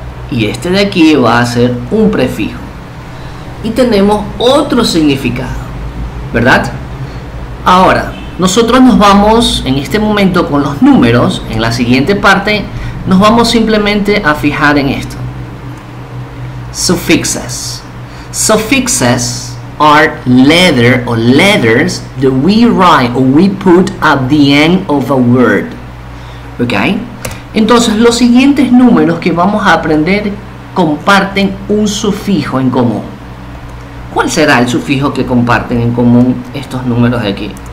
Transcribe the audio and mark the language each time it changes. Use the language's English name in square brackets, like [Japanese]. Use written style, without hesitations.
[Spanish] Y este de aquí va a ser un prefijo. Y tenemos otro significado, ¿verdad? Ahora, nosotros nos vamos en este momento con los números. En la siguiente parte, nos vamos simplemente a fijar en esto. [English] Suffixes. Suffixes are letter or letters that we write or we put at the end of a word. Okay? [Spanish] Entonces, los siguientes números que vamos a aprender comparten un sufijo en común. ¿Cuál será el sufijo que comparten en común estos números de aquí?